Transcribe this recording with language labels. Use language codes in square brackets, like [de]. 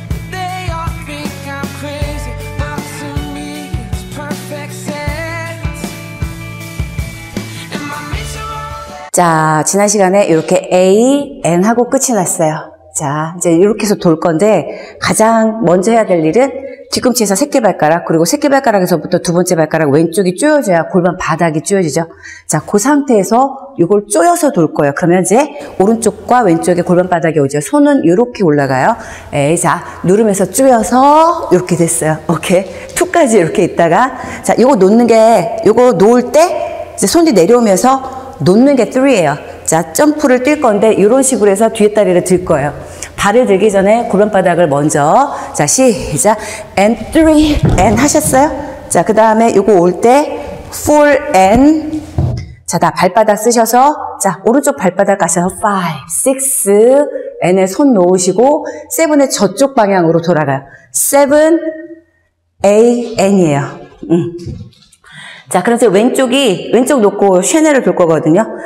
[en] They all think I'm crazy, but to me it's perfect sense. And my mission. [ko] 자, 지난 시간에 이렇게 A, N 하고 끝이 났어요. 자, 이제 이렇게 해서 돌 건데 가장 먼저 해야 될 일은 뒤꿈치에서 새끼발가락, 그리고 새끼발가락에서부터 두 번째 발가락 왼쪽이 쪼여져야 골반 바닥이 쪼여지죠. 자, 그 상태에서 이걸 쪼여서 돌 거예요. 그러면 이제 오른쪽과 왼쪽의 골반 바닥이 오죠. 손은 이렇게 올라가요. 에이, 자, 누르면서 쪼여서 이렇게 됐어요. 오케이. 투까지 이렇게 있다가 자, 이거 놓는 게, 이거 놓을 때 이제 손이 내려오면서 놓는 게 3예요. 자, 점프를 뛸 건데 이런 식으로 해서 뒤에 다리를 들 거예요. 발을 들기 전에 골반 바닥을 먼저. 자, 시작. And 3, and 하셨어요? 자, 그 다음에 이거 올 때 4, and 자, 다 발바닥 쓰셔서 자, 오른쪽 발바닥 가셔서 5, 6, and에 손 놓으시고 7의 저쪽 방향으로 돌아가요. 7, A, N이에요. 자, 그럼 이제 왼쪽이, 왼쪽 놓고 쉐네를 돌 거거든요.